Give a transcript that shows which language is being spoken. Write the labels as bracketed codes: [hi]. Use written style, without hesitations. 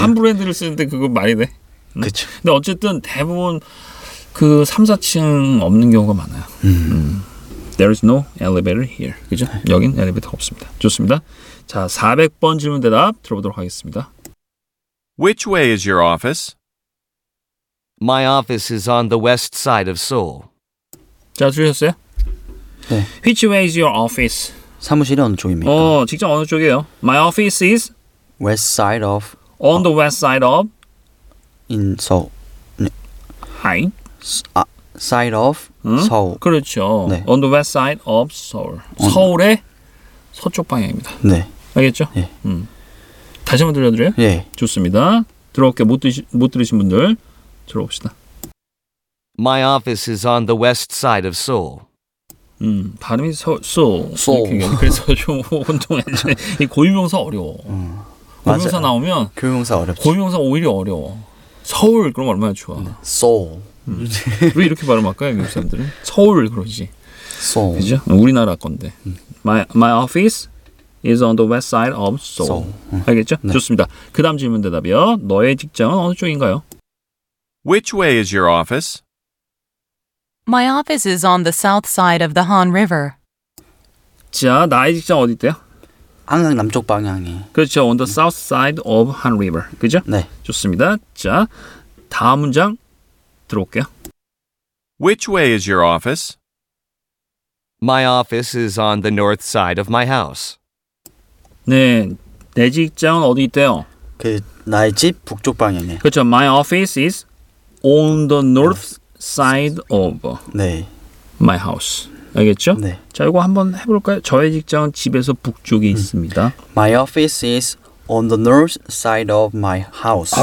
[ko] 한 브랜드를 쓰는데 그건 말이 돼. 그렇죠. 근데 어쨌든 대부분 그 3, 4층 없는 경우가 많아요. [en] There is no elevator here. [ko] 그죠? 네. 여긴 엘리베이터 없습니다. 좋습니다. 자, 400번 질문 대답 들어보도록 하겠습니다. [en] Which way is your office? My office is on the west side of Seoul. [ko] 자, 들으셨어요? 네. [en] Which way is your office? [ko] 사무실이 어느 쪽입니까? 직접 어느 쪽이에요? [en] My office is west side of on the west side of in Seoul. 네. Hi. Side of 서울. [ko] 그렇죠. 네. [en] On the west side of Seoul. [ko] 서울의 서쪽 방향입니다. 네. 알겠죠? 네. 다시 한번 들려드려요? 네. 좋습니다. 들어올게요. 못 들으신 분들 들어봅시다. [en] My office is on the west side of Seoul. [ko] 발음이 소 그래서 좀 혼동했는데 이 고유명사 어려워. 고유명사 맞아요. 나오면 고유명사 어렵지. 고유명사 오히려 어려워. 서울 그럼 얼마나 좋아. 소울. 왜 이렇게 발음할까요, 미국 사람들은? 서울 그러지. 소울. 그죠? 우리나라 건데. [en] My office is on the west side of Seoul. [ko] 알겠죠? 네. 좋습니다. 그다음 질문 대답이요. 너의 직장은 어느 쪽인가요? [en] Which way is your office? My office is on the south side of the Han River. [ko] 자, 나의 직장 어디 있대요? 항상 남쪽 방향이. 그렇죠. [en] On the south side of Han River. 그죠? [ko] 네. 좋습니다. 자, 다음 문장 들어올게요. [en] Which way is your office? My office is on the north side of my house. [ko] 네, 내 직장 어디 있대요? 그 나의 집 북쪽 방향이. 그렇죠. [en] My office is on the north side of [ko] 네. [en] my house. [ko] 알겠죠? 네. 자, 이거 한번 해볼까요? 저의 직장은 집에서 북쪽에 있습니다. [en] My office is on the north side of my house.